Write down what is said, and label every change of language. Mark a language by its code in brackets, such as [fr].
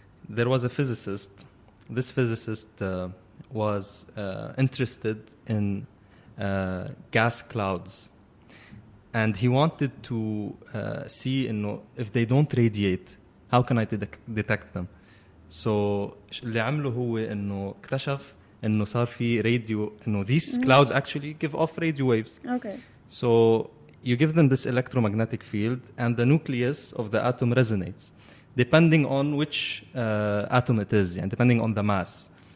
[en] There was a physicist. This physicist was interested in gas clouds, and he wanted to see if they don't radiate, how can I detect them? [ar] So اللي عمله هو إنه اكتشف إنه صار في radio. [en] These clouds actually give off radio waves. Okay. So you give them this electromagnetic field and the nucleus of the atom resonates depending on which atom it is, and depending on the mass.